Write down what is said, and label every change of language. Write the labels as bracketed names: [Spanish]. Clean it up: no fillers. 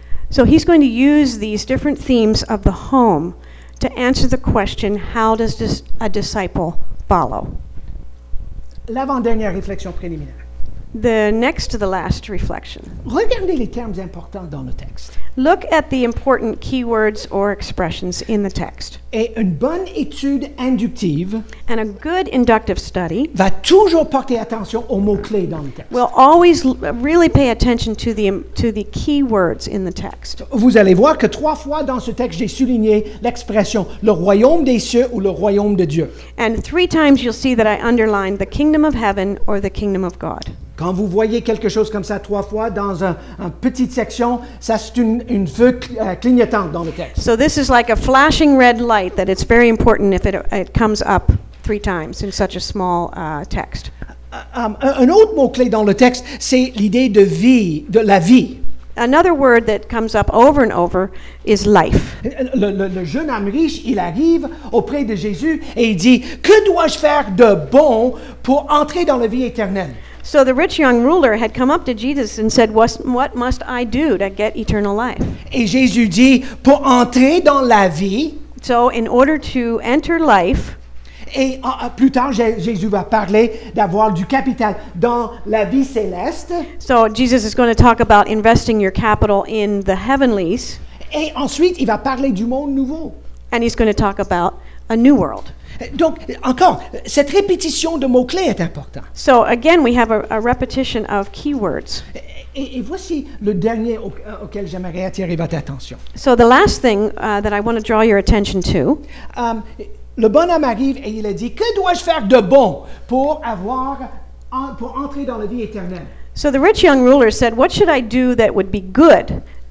[English] So he's going to use these different themes of the home to answer the question, how does a disciple follow? [French] L'avant-dernière réflexion préliminaire. [English] The next to the last reflection. [French] Regardez les termes importants dans le texte. [English] Look at the important keywords or expressions in the text. [French] Et une bonne étude inductive. [English] And a good inductive study. [French] Va toujours porter attention aux mots-clés dans le texte. [English] Will always really pay attention to the keywords in the text. [French] Vous allez voir que trois fois dans ce texte, j'ai souligné l'expression le royaume des cieux ou le royaume de Dieu. [English] And three times you'll see that I underlined the kingdom of heaven or the kingdom of God. [French] Quand vous voyez quelque chose comme ça trois fois dans une petite section, ça c'est une feu clignotante dans le texte. [English] So this is like a flashing red light that it's very important if it comes up three times in such a small text. [French] Un autre mot clé dans le texte, c'est l'idée de vie, de la vie. [English] Another word that comes up over and over is life. [French] Le jeune homme riche, il arrive auprès de Jésus et il dit, que dois-je faire de bon pour entrer dans la vie éternelle? [English] So the rich young ruler had come up to Jesus and said, what must I do to get eternal life? [French] Et Jésus dit, pour entrer dans la vie. [English] So in order to enter life. [French] Et plus tard, Jésus va parler d'avoir du capital dans la vie céleste. [English] So Jesus is going to talk about investing your capital in the heavenlies. [French] Et ensuite, il va parler du monde nouveau. [English] And he's going to talk about a new world. [French] Donc, encore, cette répétition de mots-clés est importante. [English] So, again, we have a repetition of keywords. [French] Et voici le dernier auquel j'aimerais attirer votre attention. [English] So, the last thing that I want to draw your attention to. [French] Le bonhomme arrive et il a dit, que dois-je faire de bon pour entrer dans la vie éternelle? [English] So, the rich young ruler said, what should I do that would be good?